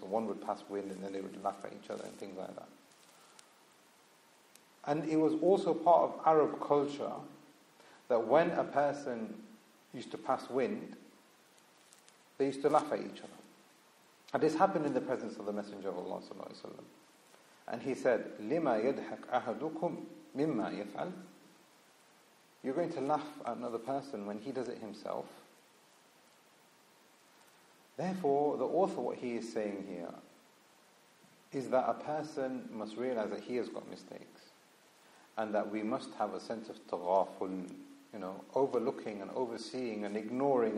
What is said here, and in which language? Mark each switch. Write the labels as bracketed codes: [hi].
[en] One would pass wind and then they would laugh at each other and things like that. And it was also part of Arab culture that when a person used to pass wind, they used to laugh at each other. And this happened in the presence of the Messenger of Allah sallallahu alaihi wasallam. [ar] And he said, لِمَا يَدْحَكْ أَحَدُكُمْ مِمَّا يَفْعَلْ. [en] You're going to laugh at another person when he does it himself. Therefore, the author, what he is saying here, is that a person must realize that he has got mistakes, and that we must have a sense of taghaful, you know, overlooking and overseeing and ignoring.